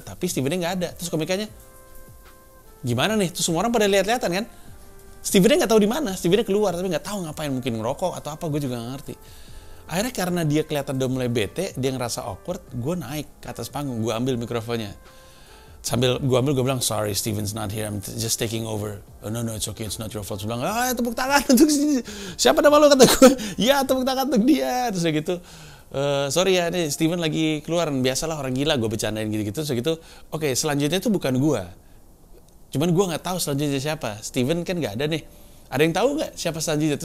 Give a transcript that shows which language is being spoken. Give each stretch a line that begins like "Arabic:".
Indonesian: Tapi Stevennya gak ada. Terus komikanya gimana nih, terus semua orang pada lihat-lihatan kan. Stevennya nggak tahu di mana, Stevennya keluar tapi nggak tahu ngapain, mungkin ngerokok atau apa, gue juga nggak ngerti. Akhirnya karena dia kelihatan udah mulai bete, dia ngerasa awkward, gue naik ke atas panggung, gue ambil mikrofonnya. Sambil gue ambil, gue bilang,
English: sorry Steven's not here, I'm just taking over. Oh, no, it's okay, it's not your fault.
Indonesian: Gue bilang, tepuk tangan untuk siapa nama lo, kata gue. Ya, tepuk tangan untuk dia, terus kayak gitu. Sorry ya, ini Steven lagi keluar, biasalah orang gila, gue bercandain gitu-gitu, terus kayak gitu. Okay, selanjutnya itu bukan gue. Cuman gue nggak tahu selanjutnya siapa. Steven kan nggak ada nih, ada yang tahu nggak siapa selanjutnya?